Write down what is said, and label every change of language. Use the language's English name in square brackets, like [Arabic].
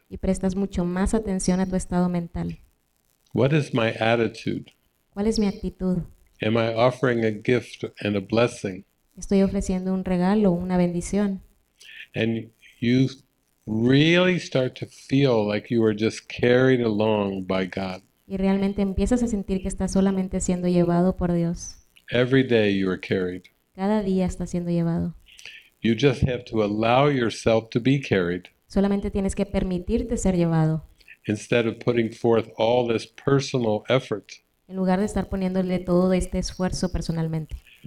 [Spanish] Y prestas mucho más atención a tu estado mental. [English] What is my attitude? [Spanish] ¿Cuál es mi actitud? [English] Am I offering a gift and a blessing? [Spanish] Estoy ofreciendo un regalo, una bendición. [English] And you really start to feel like you are just carried along by God. [Spanish] Y realmente empiezas a sentir que estás solamente siendo llevado por Dios. [English] Every day you are carried. [Spanish] Cada día estás siendo llevado. [English] You just have to allow yourself to be carried. [Spanish] Solamente tienes que permitirte ser llevado. [English] Instead of putting forth all this personal effort. [Spanish] En lugar de estar poniéndole todo este esfuerzo personalmente.